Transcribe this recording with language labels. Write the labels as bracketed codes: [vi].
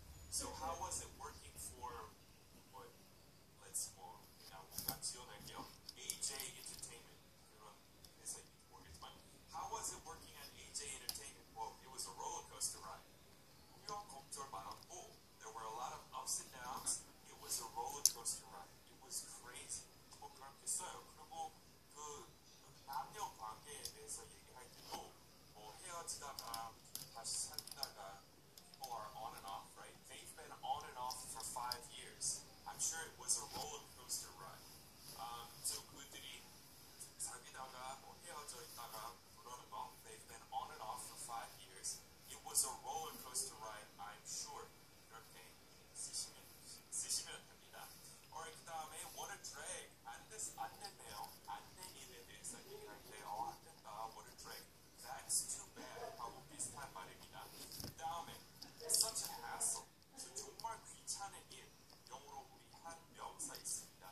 [en] So how was it working for what, let's call it now, AJ Entertainment, as I work at money. How was it working at AJ Entertainment? Well, it was a roller coaster ride. We all come to our bottom. There were a lot of ups and downs. It was a roller coaster ride. It was crazy. [ko] 뭐 그런 게 있어요. 그리고 남녀 관계에 대해서 얘기할 때도 뭐 헤어지다가 다시 사귀다가 [en] people are on and off, right? They've been on and off for 5 years. I'm sure it was a roller coaster ride. So [ko] 그들이 사귀다가 뭐 헤어져 있다가 그러는 거, [en] they've been on and off for 5 years. It was a roller coaster ride, I'm sure. [ko] 이렇게 쓰시면 됩니다. [en] Alright, [ko] 그다음에 [en] what a drag. [ko] 안 됐네요. 안 된 일에 대해서 얘기할 때, 안 됐다. [en] What a drag. That's too bad. [ko] 하고 비슷한 말입니다. 그다음에 [en] such a hassle. [ko] 정말 귀찮은 일. 영어로 우리 한 명사 있습니다.